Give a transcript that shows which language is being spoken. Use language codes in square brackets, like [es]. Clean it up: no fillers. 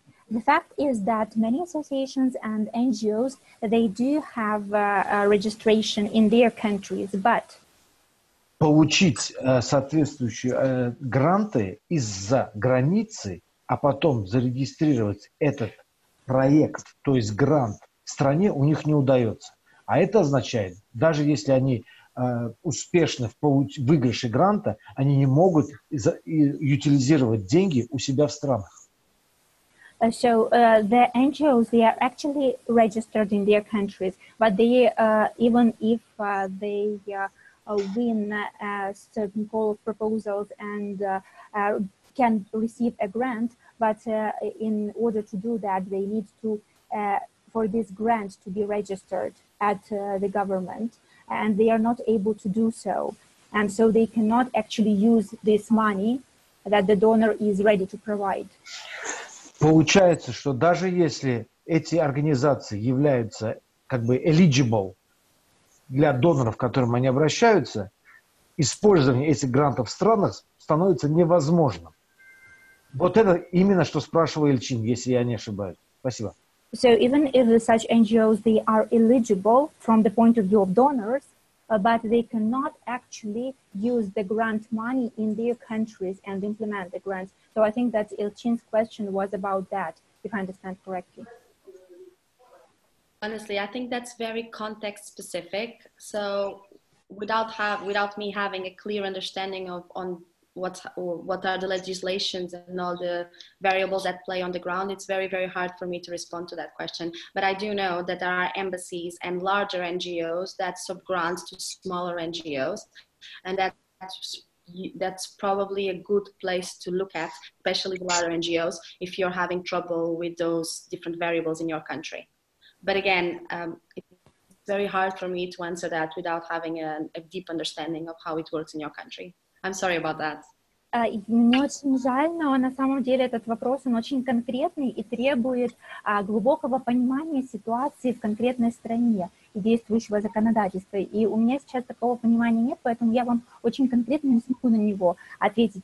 [en] The fact is that many associations and NGOs, they do have a registration in their countries, but... [ru] Получить соответствующие гранты из-за границы, а потом зарегистрировать этот проект, то есть грант, стране у них не удается. А это означает, даже если они успешны в выигрыше гранта, они не могут утилизировать деньги у себя в странах. [en] So the NGOs, they are actually registered in their countries, but they, even if they win certain call of proposals and can receive a grant, but in order to do that, they need to, for this grant to be registered at the government, and they are not able to do so. And so they cannot actually use this money that the donor is ready to provide. [ru] Получается, что даже если эти организации являются как бы eligible для доноров, к которым они обращаются, использование этих грантов в странах становится невозможным. Вот это именно, что спрашивал Ильчин, если я не ошибаюсь. Спасибо. [en] So even if such NGOs, they are eligible from the point of view of donors, but they cannot actually use the grant money in their countries and implement the grants. So I think that Ilchin's question was about that, if I understand correctly. Honestly, I think that's very context specific. So without me having a clear understanding of what are the legislations and all the variables at play on the ground, it's very, very hard for me to respond to that question. But I do know that there are embassies and larger NGOs that subgrant to smaller NGOs. And that's probably a good place to look at, especially the larger NGOs, if you're having trouble with those different variables in your country. But again, it's very hard for me to answer that without having a deep understanding of how it works in your country. I'm sorry about that. [ru] Мне очень жаль, но на самом деле этот вопрос, он очень конкретный и требует глубокого понимания ситуации в конкретной стране и действующего законодательства. И у меня сейчас такого понимания нет, поэтому я вам очень конкретно не смогу на него ответить.